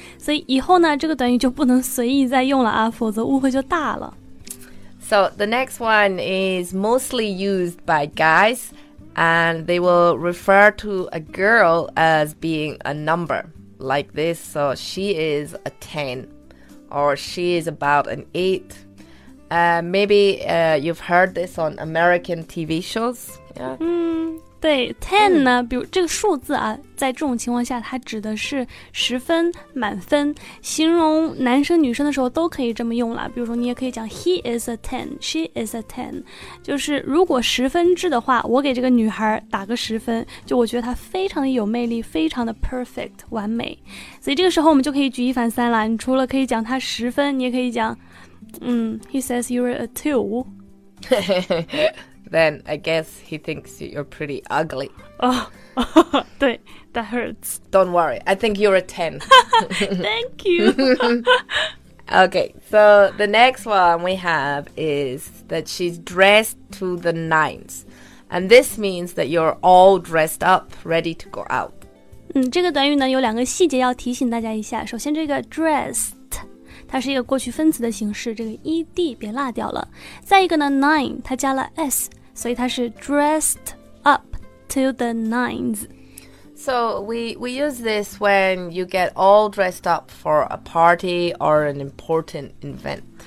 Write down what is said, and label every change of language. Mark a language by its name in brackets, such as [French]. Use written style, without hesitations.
[Chinese] 所以以后呢，这个短语就不能随意再用了啊，否则误会就大了。 [English] So the next one is mostly used by guys. And they will refer to a girl as being a number, like this. So she is a 10, or she is about an 8. Maybe you've heard this on American TV shows. Yeah. [Chinese] 对 ,10 呢、比如这个数字啊，在这种情况下它指的是十分满分，形容男生女生的时候都可以这么用了，比如说你也可以讲 [English] He is a 10, she is a 10, [Chinese] 就是如果十分制的话，我给这个女孩打个十分，就我觉得她非常的有魅力，非常的 perfect, 完美。所以这个时候我们就可以举一反三了，你除了可以讲她十分，你也可以讲 [English] He says you're a 2. Then I guess he thinks you're pretty ugly. Oh, [Chinese] 对 [English] that hurts. Don't worry, I think you're a 10. Thank you. Okay, so the next one we have is that she's dressed to the nines. And this means that you're all dressed up, ready to go out. [Chinese] 这个短语呢有两个细节要提醒大家一下。首先这个 dress. 它是一个过去分词的形式，这个 ed 别落掉了。再一个呢 ，nine 它加了 s， 所以它是 [English] dressed up to the nines。 So we use this when you get all dressed up for a party or an important event。